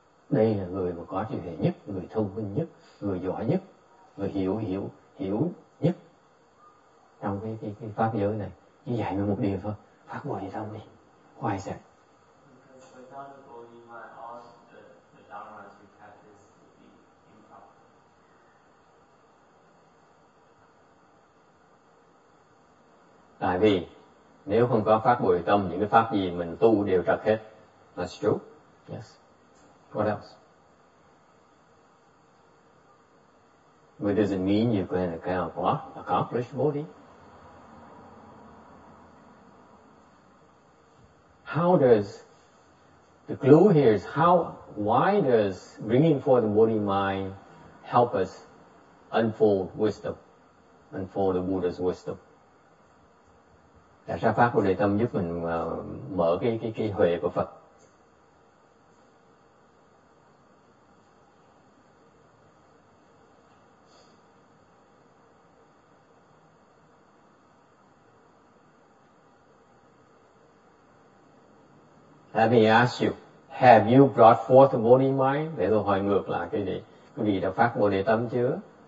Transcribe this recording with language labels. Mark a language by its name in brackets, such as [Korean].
[Vietnamese] Đây là người mà có trí hệ nhất, người thông minh nhất, người giỏi nhất, người hiểu nhất trong cái pháp giới này. Chỉ dạy mình một điều thôi, phát Bồ Đề tâm đi. [English] Why is that? Because without the Bodhi mind, all the dharmas we practice would be improper. [Vietnamese] Tại vì nếu không có pháp bồi tâm, những cái pháp gì mình tu đều trật hết. [English] That's true. Yes. What else? But it doesn't mean you're going to kind of accomplish Bodhi. How does, the clue here is how, why does bringing forth the Bodhi mind help us unfold wisdom, unfold the Buddha's wisdom? [Vietnamese] Tại sao pháp Bồ Đề Tâm giúp mình mở cái huệ của Phật? [English] Let me ask you, have you brought forth the Bodhi mind? [Vietnamese] Để tôi hỏi ngược lại cái gì? Quý vị đã phát Bồ Đề Tâm chưa?